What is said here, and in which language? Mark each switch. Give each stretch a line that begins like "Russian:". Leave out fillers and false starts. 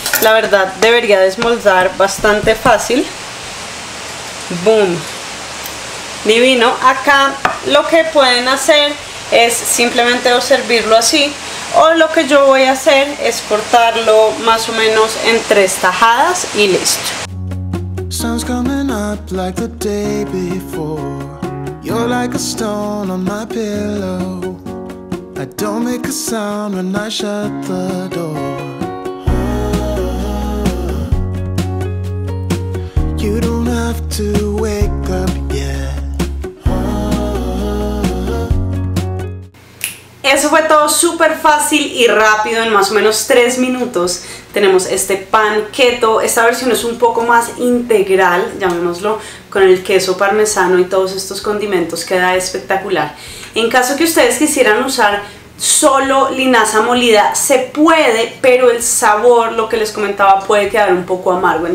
Spanish: La verdad, debería desmoldar bastante fácil. ¡Boom! Divino. Acá lo que pueden hacer es simplemente servirlo así, o lo que yo voy a hacer es cortarlo más o menos en 3 tajadas y listo.
English: Sun's coming up like the day before. You're like a stone on my pillow. I don't make a sound when I shut the door. You don't have to wake up yet.
Spanish: Eso fue todo súper fácil y rápido. En más o menos 3 minutos tenemos este pan keto. Esta versión es un poco más integral, llamémoslo, con el queso parmesano y todos estos condimentos. Queda espectacular. En caso que ustedes quisieran usar solo linaza molida, se puede, pero el sabor, lo que les comentaba, puede quedar un poco amargo.